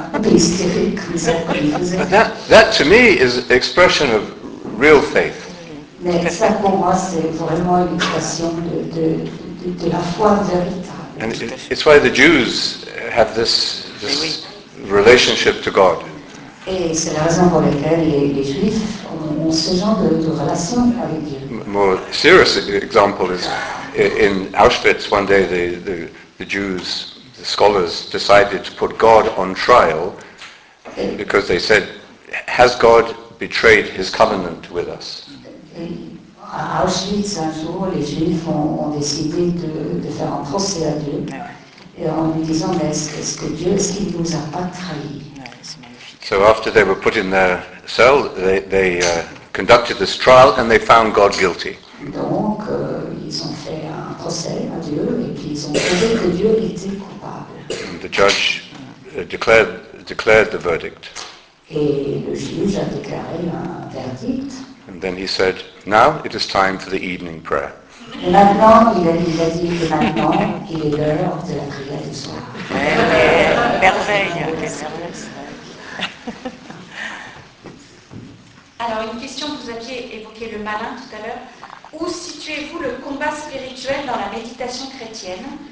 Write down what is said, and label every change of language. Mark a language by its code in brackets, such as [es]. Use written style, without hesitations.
[en] But that to me is an expression of real faith. And it's why the Jews have this relationship to God. [fr] Et c'est la raison pour laquelle les Juifs ont ce genre de relation avec Dieu. [en] More serious example is in Auschwitz. One day the Jews, the scholars, decided to put God on trial because they said, "Has God betrayed His covenant with us?" [fr] À Auschwitz, un jour, les Juifs ont décidé de faire un procès à Dieu, en lui disant, est-ce qu'il nous a pas trahi? [en] So after they were put in their cell, they conducted this trial and they found God guilty. [fr] Donc, ils ont fait un procès à Dieu et puis ils ont trouvé que Dieu était coupable. [en] And the judge declared the verdict. [fr] Et le juge a déclaré un verdict. [en] And then he said, "Now it is time for the evening prayer." [fr] Et maintenant, il a dit que maintenant, il est l'heure de la prière du soir. Merveille, merveille. Alors, une question, vous aviez évoqué le malin tout à l'heure. Où situez-vous le combat spirituel dans la méditation chrétienne?